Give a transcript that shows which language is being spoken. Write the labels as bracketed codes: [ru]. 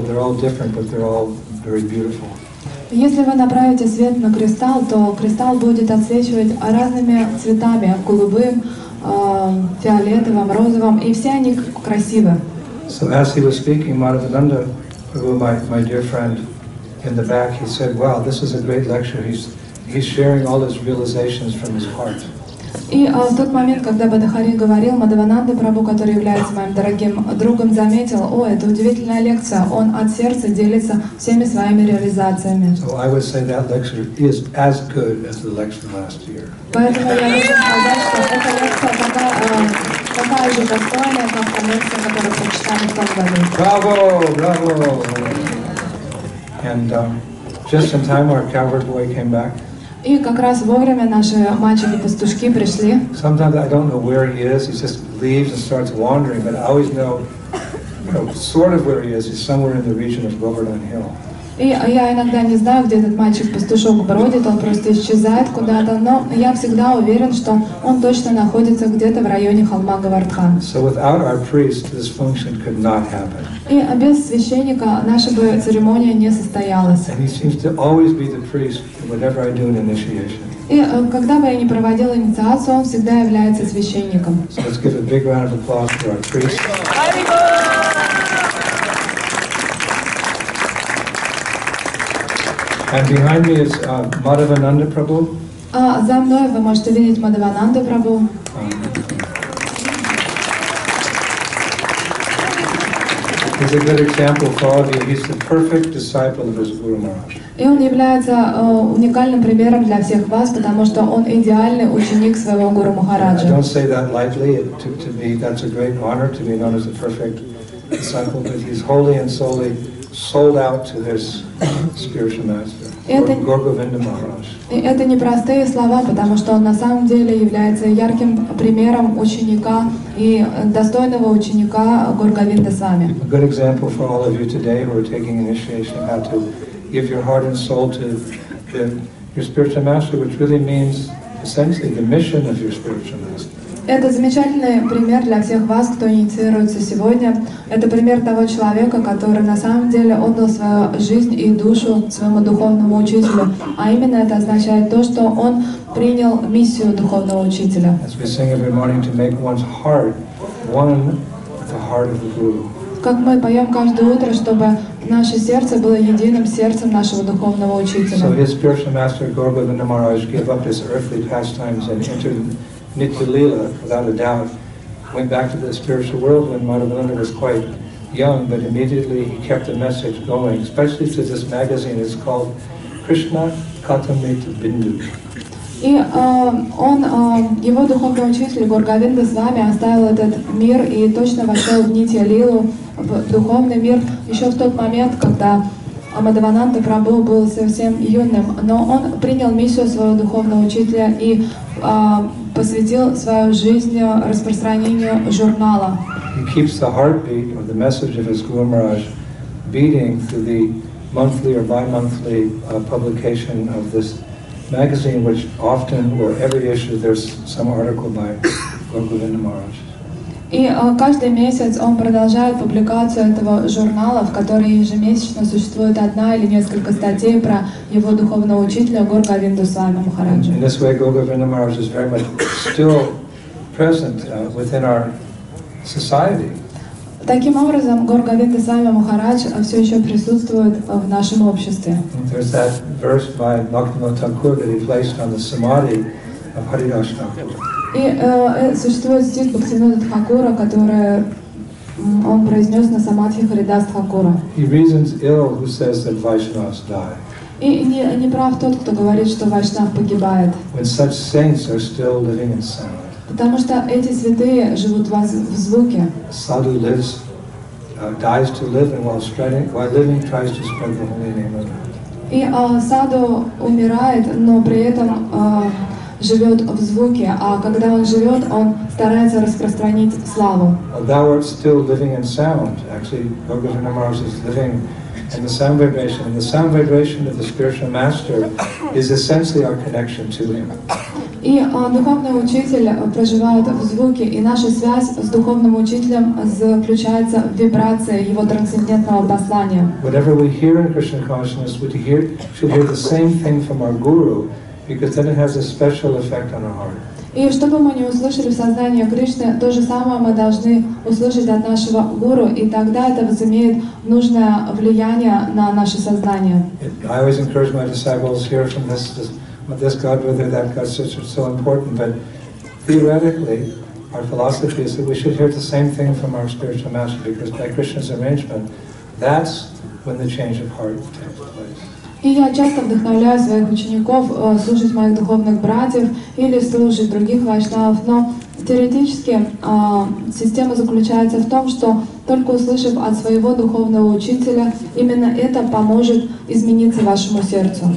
[en] They're all different, but they're all very beautiful. [ru] Если вы направите свет на кристалл, то кристалл будет отсвечивать разными цветами: голубым, фиолетовым, розовым, и все они красивы. [en] So as he was speaking, Madhavananda, my dear friend in the back, he said, "Wow, this is a great lecture. He's sharing all his realizations from his heart." [ru] И в тот момент, когда Бадахари говорил, Мадхавананда Прабху, который является моим дорогим другом, заметил, о, это удивительная лекция, он от сердца делится всеми своими реализациями. [en] So I would say that lecture is as good as the lecture last year. [ru] Поэтому я должен сказать, что эта лекция такая же достойная, как та лекция, которую прочитали в том году. Браво! [en] And just in time our coward boy came back. [ru] И как раз вовремя наши мальчики-пастушки пришли. [en] Sometimes I don't know where he is. He just leaves and starts wandering, but I always know, sort of where he is. He's somewhere in the region of Govardhan Hill. [ru] И я иногда не знаю, где этот мальчик-пастушок бродит. Он просто исчезает куда-то. Но я всегда уверен, что он точно находится где-то в районе холма Говардхан. [en] So without our priest, this function could not happen. [ru] И без священника наша бы церемония не состоялась. [en] And he seems to always be the priest whenever I do an initiation. [ru] И когда бы я ни проводил инициацию, он всегда является священником. [en] So let's give a big round of applause for our priest. And behind me is Madhavananda Prabhu. [ru] За мной вы можете видеть Мадхавананду Прабху. [en] He's a good example for all of you. He's the perfect disciple of his Guru Maharaj. [ru] И он является уникальным примером для всех вас, потому что он идеальный ученик своего Гуру Махараджа. [en] I don't say that lightly. To me, that's a great honor to be known as a perfect disciple, but he's holy and solely sold out to his spiritual master. [ru] Это непростые слова, потому что он на самом деле является ярким примером ученика и достойного ученика Горгавинда Свами. [en] A good example for all of you today who are taking initiation how to give your heart and soul to your spiritual master, which really means essentially the mission of your spiritual master. [ru] Это замечательный пример для всех вас, кто инициируется сегодня. Это пример того человека, который на самом деле отдал свою жизнь и душу своему духовному учителю. А именно это означает то, что он принял миссию духовного учителя. [en] As we sing every morning, to make one's heart one with the heart of the Guru. [ru] Как мы поем каждое утро, чтобы наше сердце было единым сердцем нашего духовного учителя. [en] So his spiritual master Govardhana Maharaj gave up his earthly pastimes and entered Nitya Lila, without a doubt, went back to the spiritual world when Madhavananda was quite young, but immediately he kept the message going, especially to this magazine. It's called Krishna Katamrita Bindu. [ru] И он, его духовный учитель Горгавинда Свами оставил этот мир и точно вошел в Нитья Лилу, в духовный мир, еще в тот момент, когда Мадхавананда Прабху был совсем юным, но он принял миссию своего духовного учителя и посвятил свою жизнь распространению журнала. [en] He keeps the heartbeat or the message of his Guru Maharaj beating through the monthly or bi-monthly publication of this magazine, which often or every issue there's some article by Govardhan Maharaj. [ru] И каждый месяц он продолжает публикацию этого журнала, в котором ежемесячно существует одна или несколько статей про его духовного учителя Горгавинду Свами Махараджа. [en] In this way, Govardhan Maharaj is very much still present within our society. [ru] Таким образом, Говардхан Свами Махарадж все еще присутствует в нашем обществе. [en] There's that verse by Bhaktivinoda Thakur that he placed on the samadhi of Haridas Thakur. [ru] И существует стих Бхактивинода Тхакура, который он произнес на самадхи Харидас Тхакура. [en] He reasons ill who says that Vaishnavas die. [ru] И не прав тот, кто говорит, что Вайшнав погибает. [en] When such saints are still living in sound. [ru] Потому что эти святые живут в звуке. [en] Sadhu lives, dies to live, and while spreading, while living, tries to spread the holy name of God. [ru] И саду умирает, но при этом живет в звуке, а когда он живет, он старается распространить славу. [en] Thou art still living in sound. Actually, Govardhan Maharaj is living in the sound vibration. And the sound vibration of the spiritual master is essentially our connection to him. [ru] И духовный учитель проживает в звуке, и наша связь с духовным учителем заключается в вибрации его трансцендентного послания. [en] Whatever we hear in Krishna consciousness, we should hear the same thing from our guru, because then it has a special effect on our heart. [ru] И чтобы мы не услышали в сознании Кришны, то же самое мы должны услышать от нашего гуру, и тогда это возымеет нужное влияние на наше сознание. [en] I always encourage my disciples here from this. But this God, whether that God, is so important. But theoretically, our philosophy is that we should hear the same thing from our spiritual master, because by Krishna's arrangement, that's when the change of heart takes place. [ru] И я часто вдохновляю своих учеников слушать моих духовных братьев или слушать других вайшнавов. Но теоретически система заключается в том, что только услышав от своего духовного учителя, именно это поможет измениться вашему сердцу.